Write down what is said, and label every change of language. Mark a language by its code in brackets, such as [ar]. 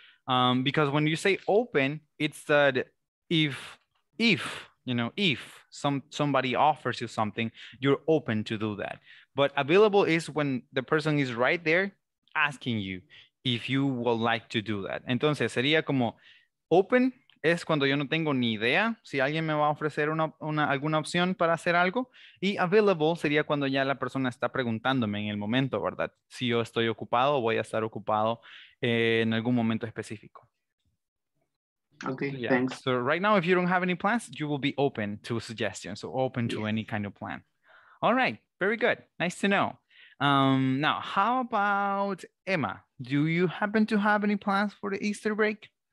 [en] Because when you say open, it's that if somebody offers you something, you're open to do that. But available is when the person is right there asking you if you would like to do that. [es] Entonces, sería como open es cuando yo no tengo ni idea si alguien me va a ofrecer alguna opción para hacer algo. Y available sería cuando ya la persona está preguntándome en el momento, ¿verdad? Si yo estoy ocupado o voy a estar ocupado en algún momento específico. [en] Okay, yeah. Thanks. So right now, if you don't have any plans, you will be open to suggestions, so open to any kind of plan. All right, very good. Nice to know. Now, how about Emma? Do you happen to have any plans for the Easter break?